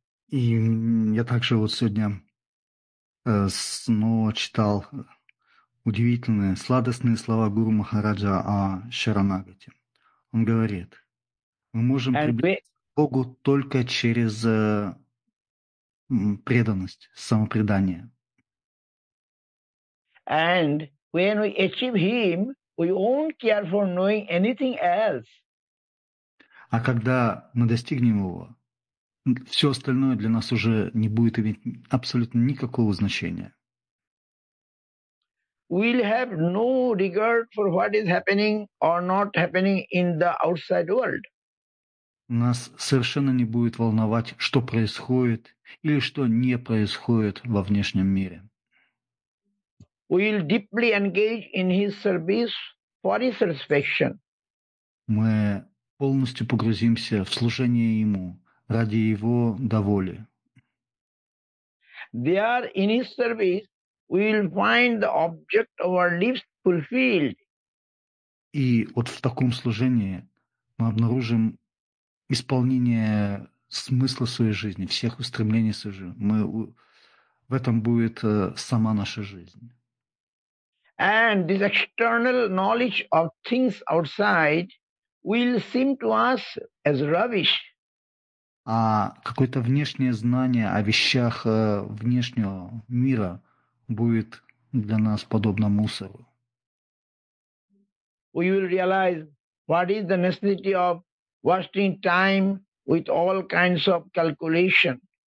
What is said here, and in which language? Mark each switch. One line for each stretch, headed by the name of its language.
Russian: И я также вот сегодня снова читал удивительные, сладостные слова Гуру Махараджа о Шаранагати. Он говорит, мы можем приблизиться к Богу только через преданность, самопредание.
English: And when we achieve him, we won't care for knowing anything else.
Russian: А когда мы достигнем его, все остальное для нас уже не будет иметь абсолютно никакого значения.
English: We'll have no regard for what is happening or not happening in the outside world.
Russian: Нас совершенно не будет волновать, что происходит или что не происходит во внешнем мире.
English: We'll deeply engage in his service for his satisfaction.
Russian: Мы полностью погрузимся в служение ему ради его доволи.
English: There in his service we will find the object of our lives fulfilled.
Russian: И вот в таком служении мы обнаружим исполнение смысла своей жизни, всех устремлений своей жизни. В этом будет сама наша жизнь.
English: And this external knowledge of things outside will seem to us as rubbish.
Russian: А какое-то внешнее знание о вещах внешнего мира будет для нас подобно мусору.
English: We will realize what is the necessity of wasting time with all kinds of calculation.